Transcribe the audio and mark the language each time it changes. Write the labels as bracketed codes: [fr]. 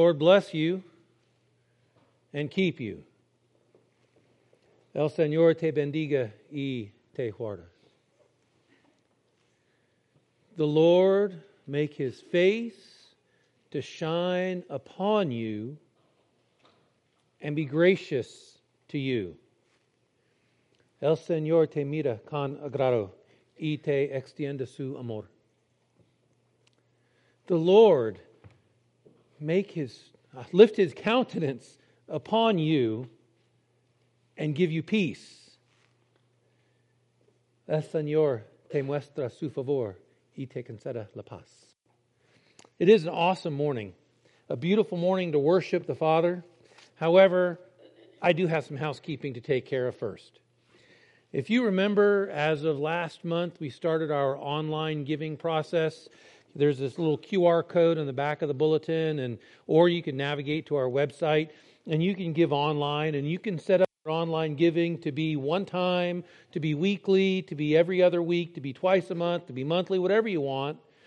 [en] Lord bless you and keep you. [es] El Señor te bendiga y te guarda. [en] The Lord make his face to shine upon you and be gracious to you. [es] El Señor te mira con agrado y te extiende su amor. [en] The Lord make his lift his countenance upon you and give you peace. [es] El Señor te muestra su favor y te concede la paz. [en] It is an awesome morning, a beautiful morning to worship the Father. However, I do have some housekeeping to take care of first. If you remember, as of last month, we started our online giving process. There's this little QR code on the back of the bulletin, and or you can navigate to our website, and you can give online, and you can set up your online giving to be one time, to be weekly, to be every other week, to be twice a month, to be monthly, whatever you want.